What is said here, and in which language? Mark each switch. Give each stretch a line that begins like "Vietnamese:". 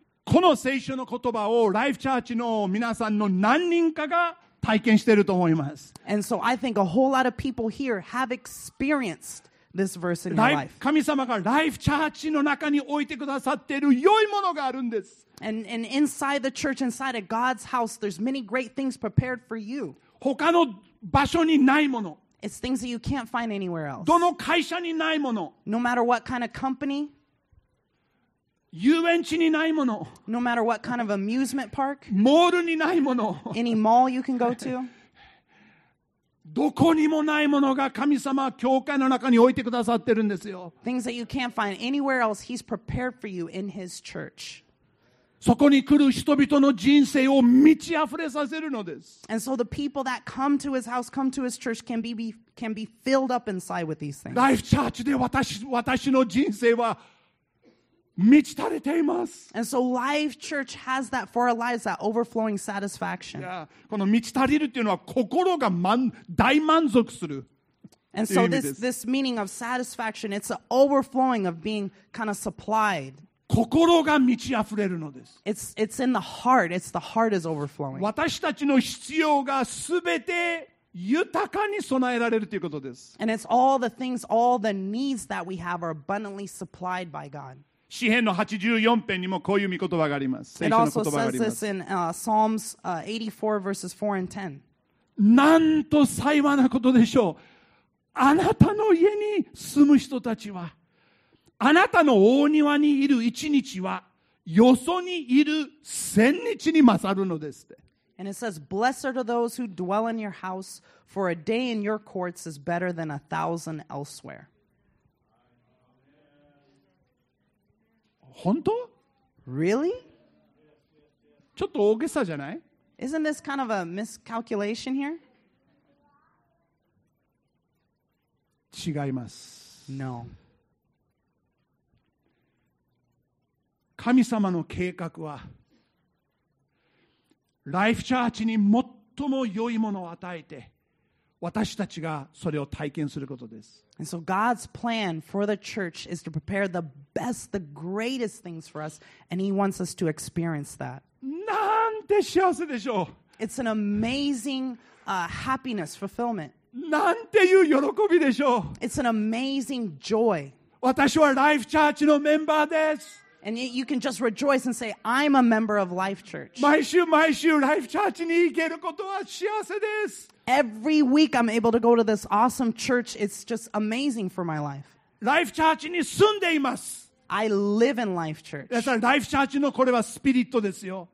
Japanese: この聖書の言葉をライフチャーチの皆さんの何人かが体験していると思います。
English: And so I think a whole lot of people here have experienced this verse in your life.
Japanese: 神様がライフチャーチの中に置いてくださっている良いものがあるんです。
English: And inside the church, inside of God's house, there's many great things prepared for you.
Japanese: 他の場所にないもの。
English: It's things that you can't find anywhere else.
Japanese: どの会社にないもの。
English: No matter what kind of company.
Japanese: 遊園地にないもの。
English: No matter what kind of amusement park.
Japanese: モールにないもの。
English: Any mall you can go to.
Japanese: どこにもないものが神様は教会の中に置いてくださってるんですよ。
English: Things that you can't find anywhere else, He's prepared for you in His church.
Japanese: そこに来る人々の人生を満ち溢れさせるのです。
English: And so the people that come to His house, come to His church can be filled up inside with these things.
Japanese: Life Church で私の人生は満ち足りています。
English: And so Life Church has that for our lives, that overflowing satisfaction.
Japanese: Yeah, この満ち足りるっていうのは心が大満足する。
English: And so this meaning of satisfaction, it's an overflowing of being kind of supplied.
Japanese: 心が満ち溢れるのです。
English: It's in the heart. It's the heart is overflowing.
Japanese: 私たちの必要がすべて豊かに備えられるということです。
English: And it's all the things, all the needs that we have are abundantly supplied by God.
Japanese: 詩編の84編にもこういう御言葉があります。聖書の言葉があります。
English: It also says this in Psalms 84 verses 4 and 10.
Japanese: なんと幸いなことでしょう。あなたの家に住む人たちは、あなたの大庭にいる一日は、よそにいる千日に勝るのですって。
English: And it says, blessed are those who dwell in your house, for a day in your courts is better than a thousand elsewhere.
Japanese: 本当?
English: Really?
Japanese: ちょっと大げさじゃない?
English: Isn't this kind of a miscalculation here?
Japanese: 違います。
English: No.
Japanese: 神様の計画はライフチャーチに最も良いものを与えて私たちがそれを体験することです。
English: And so God's plan for the church is to prepare the best, the greatest things for us, and He wants us to experience that.
Japanese: なんて幸せでしょう。
English: It's an amazing, happiness, fulfillment.
Japanese: なんていう喜びでしょう。
English: It's an amazing joy.
Japanese: 私はライフチャーチのメンバーです。
English: And you can just rejoice and say, I'm a member of Life Church.
Japanese: 毎週毎週 Life Church に行けることは幸せです。
English: Every week I'm able to go to this awesome church. It's just amazing for my life.
Japanese: Life Church に住んでいます。
English: I live in Life Church.
Japanese: だから Life Church のこれはスピリットですよ。